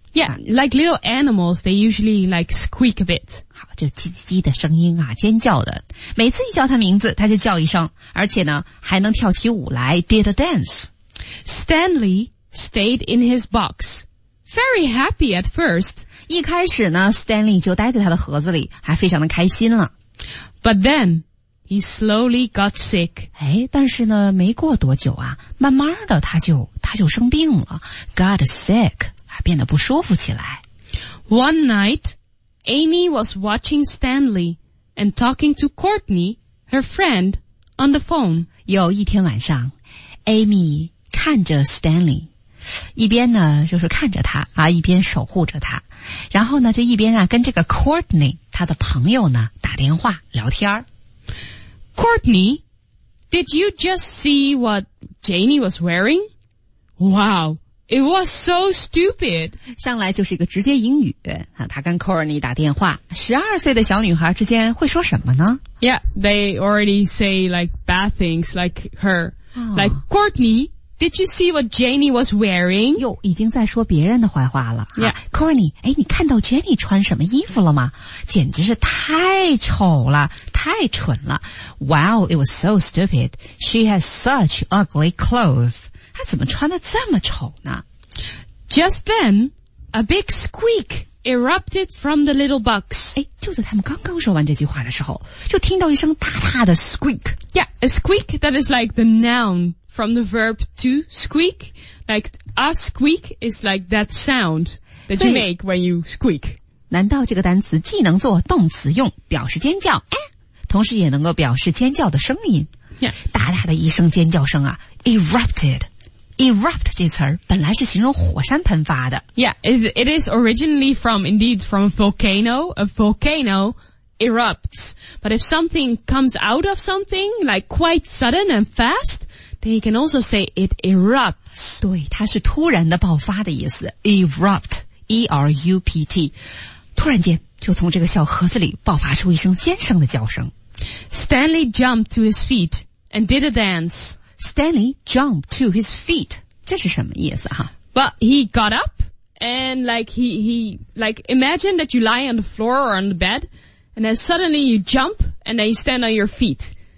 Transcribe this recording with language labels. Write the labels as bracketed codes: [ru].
[en] Yeah, like little animals, they usually like squeak a bit. [zh] 好就叽叽叽的声音啊尖叫的。每次一叫他名字他就叫一声，而且呢还能跳起舞来 [en] did a dance. Stanley stayed in his box. Very happy at first. [zh] 一开始呢 ,Stanley 就待在他的盒子里还非常的开心了。 [en] But then, he slowly got sick. [zh] 诶但是呢没过多久啊慢慢的他就生病了。 Got sick, 变得不舒服起来。 [en] One night, Amy was watching Stanley and talking to Courtney, her friend, on the phone. [zh] 有一天晚上 ,Amy 看着 Stanley, 一边呢就是看着他啊一边守护着他。然后呢就一边啊跟这个 Courtney 他的朋友呢打电话聊天。 [en] Courtney, did you just see what Janie was wearing? Wow, it was so stupid. [zh] 上来就是一个直接英语啊，他跟 Courtney 打电话，12岁的小女孩之间会说什么呢？ [en] Yeah, they already say like bad things like her.、 Oh. Like Courtney,Did you see what Janie was wearing? [zh] 又已经在说别人的坏话了。 [en] Yeah. [zh] Courtney, 诶你看到 Janie 穿什么衣服了吗？简直是太丑了，太蠢了。 [en] Wow, it was so stupid. She has such ugly clothes. [zh] 她怎么穿得这么丑呢？ [en] Just then, a big squeak erupted from the little box. [zh] 诶就在他们刚刚说完这句话的时候，就听到一声大大的 squeak. [en] Yeah, a squeak that is like the noun. From the verb to squeak, like a squeak is like that sound that you make when you squeak. [zh] 难道这个单词既能做动词用，表示尖叫，哎，同时也能够表示尖叫的声音？ [en] Yeah. [zh] 大大的一声尖叫声啊 ,erupted. Erupt 这词儿本来是形容火山喷发的。 [en] Yeah, it is originally from a volcano. A volcano erupts. But if something comes out of something, like quite sudden and fast,You can also say it erupts. [zh] 对，它是突然的爆发的意思。 [en] Erupt, E-R-U-P-T. [zh] 突然间就从这个小盒子里爆发出一声尖声的叫声。 [en] Stanley jumped to his feet and did a dance. Stanley jumped to his feet. [zh] 这是什么意思啊？ [en] But he got up and like he imagine that you lie on the floor or on the bed and then suddenly you jump and then you stand on your feet.